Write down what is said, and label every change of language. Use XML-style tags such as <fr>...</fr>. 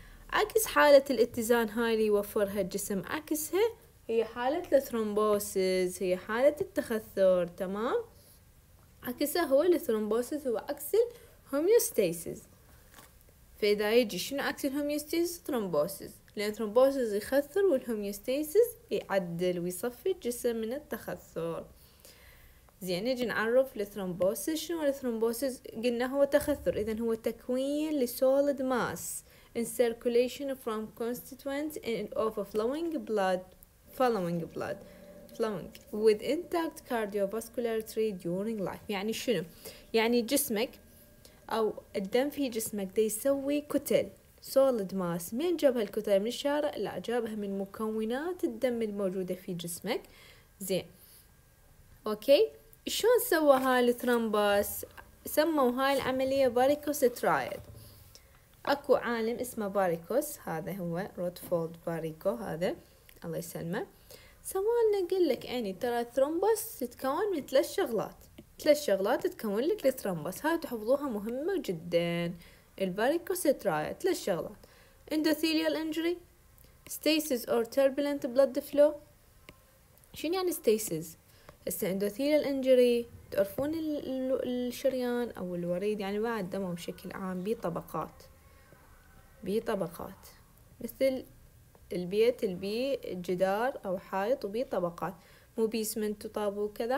<ar>عكس حالة الاتزان هاي اللي يوفرها الجسم، عكسها هي حالة الثرومبوسيس، هي حالة التخثر، تمام؟ عكسها هو الثرومبوسيس، هو عكس الهوميوستاسيس. فإذا يجي شنو عكس الهوميوستاسيس؟ ثرومبوسيس، لأن الثرومبوسيس يخثر والهوميوستاسيس يعدل ويصفي الجسم من التخثر. زين، نجي نعرف الثرومبوسيس شنو. الثرومبوسيس قلنا هو تخثر، إذا هو تكوين لسوليد ماس</ar> <en>in circulation from constituents of flowing blood following blood flowing with intact cardiovascular tree during life.</en> <ar>يعني شنو؟ يعني جسمك او الدم في جسمك دا يسوي كتل</ar> <en>solid mass.</en> <ar>من جاب هالكتل؟ من الشارع؟ لا، جابها من مكونات الدم الموجودة في جسمك. زين، اوكي، شلون سوى هاي الثرومبوس؟ سموا هاي العملية باريكوس ترايد. اكو عالم اسمه باريكوس، هذا هو روتفولد باريكو، هذا الله يسلمه، سوالنا قل لك يعني ترى الثرومبوس تتكون من ثلاث شغلات، ثلاث شغلات تتكون لك الثرومبوس. هاي تحفظوها، مهمة جدا. الباريكوسيتراية ثلاث شغلات:</ar> <en>endothelial injury, stasis or turbulent blood flow.</en> <ar>شين يعني stasis؟ هسه endothelial injury تعرفون الشريان او الوريد، يعني بعد دمه بشكل عام بطبقات، بطبقات مثل البيت، البي جدار او حائط وبي طبقات، مو بيسمنت وطابو كذا.</ar>